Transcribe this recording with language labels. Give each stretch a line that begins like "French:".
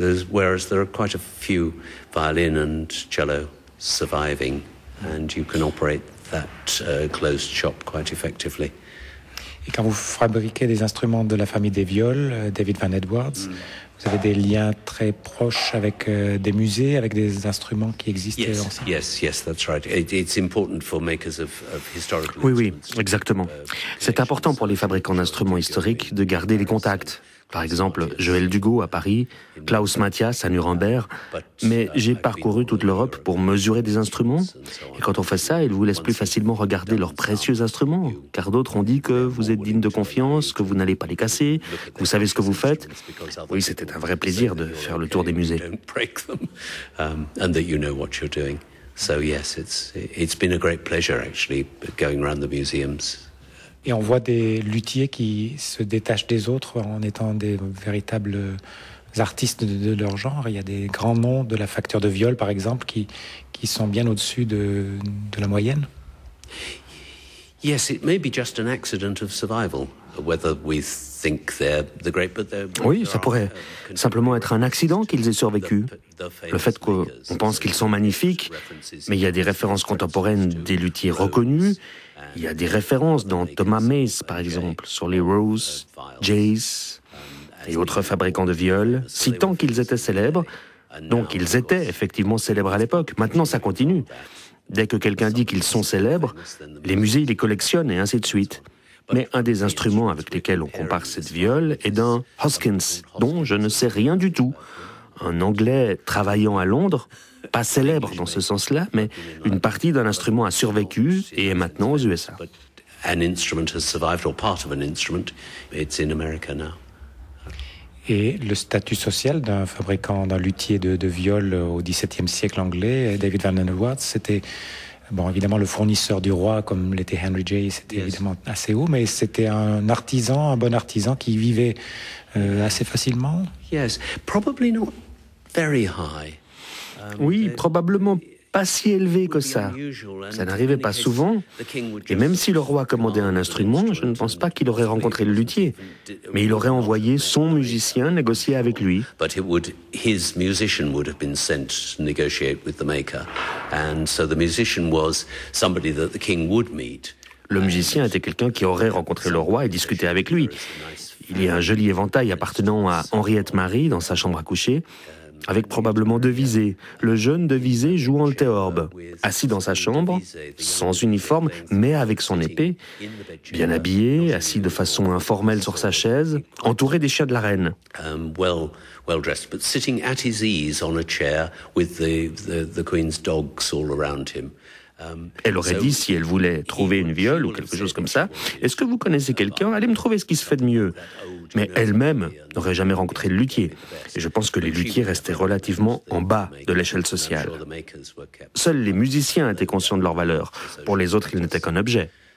English: Whereas there are quite a few violin and cello surviving, and you can operate that closed shop quite effectively.
French: Et quand vous fabriquez des instruments de la famille des viols, David Van Edwards, vous avez des liens très proches avec des musées, avec des instruments qui existent
English: ensemble. Yes, that's right. It's important for makers of historical instruments.
French: Oui, exactement. C'est important pour les fabricants d'instruments historiques de garder les contacts. Par exemple, Joël Dugo à Paris, Klaus Matthias à Nuremberg. Mais j'ai parcouru toute l'Europe pour mesurer des instruments. Et quand on fait ça, ils vous laissent plus facilement regarder leurs précieux instruments. Car d'autres ont dit que vous êtes digne de confiance, que vous n'allez pas les casser, que vous savez ce que vous faites. Oui, c'était un vrai plaisir de faire le tour des musées.
English: And that you know what you're doing. So yes, it's been a great pleasure actually going around the museums.
French: Et on voit des luthiers qui se détachent des autres en étant des véritables artistes de leur genre. Il y a des grands noms de la facture de viol, par exemple, qui sont bien au-dessus de la moyenne.
English: Yes, it may be just an accident of survival, whether we think they're the great, but they're.
French: Oui, ça pourrait simplement être un accident qu'ils aient survécu. Le fait qu'on pense qu'ils sont magnifiques, mais il y a des références contemporaines des luthiers reconnus. Il y a des références dans Thomas Mace, par exemple, sur les Rose, Jace et autres fabricants de viols, citant qu'ils étaient célèbres. Donc, ils étaient effectivement célèbres à l'époque. Maintenant, ça continue. Dès que quelqu'un dit qu'ils sont célèbres, les musées les collectionnent et ainsi de suite. Mais un des instruments avec lesquels on compare cette viole est d'un Hoskins, dont je ne sais rien du tout. Un Anglais travaillant à Londres, pas célèbre dans ce sens-là, mais une partie d'un instrument a survécu et est maintenant aux USA.
English: An instrument has survived, or part of an instrument, it's in America now.
French: Et le statut social d'un fabricant, d'un luthier de viol au XVIIe siècle anglais, David Van Edwards, c'était, bon, évidemment, le fournisseur du roi, comme l'était Henry Jay, c'était évidemment assez haut, mais c'était un artisan, un bon artisan qui vivait assez facilement.
English: Yes, probably not very high.
French: Oui, probablement pas si élevé que ça. Ça n'arrivait pas souvent. Et même si le roi commandait un instrument, je ne pense pas qu'il aurait rencontré le luthier. Mais il aurait envoyé son musicien négocier avec lui.
English: His musician would have been sent to negotiate with the maker. And so the musician was somebody that the king would meet.
French: Le musicien était quelqu'un qui aurait rencontré le roi et discuté avec lui. Il y a un joli éventail appartenant à Henriette Marie dans sa chambre à coucher. Avec probablement Devisé, le jeune Devisé jouant le théorbe, assis dans sa chambre, sans uniforme, mais avec son épée, bien habillé, assis de façon informelle sur sa chaise, entouré des chiens de la reine.
English: Well-dressed, but sitting at his ease on a chair with the queen's dogs all around him.
French: Elle aurait dit si elle voulait trouver une viole ou quelque chose comme ça, est-ce que vous connaissez quelqu'un ? Allez me trouver ce qui se fait de mieux. Mais elle-même n'aurait jamais rencontré de luthier. Et je pense que les luthiers restaient relativement en bas de l'échelle sociale. Seuls les musiciens étaient conscients de leur valeur. Pour les autres, ils n'étaient qu'un objet.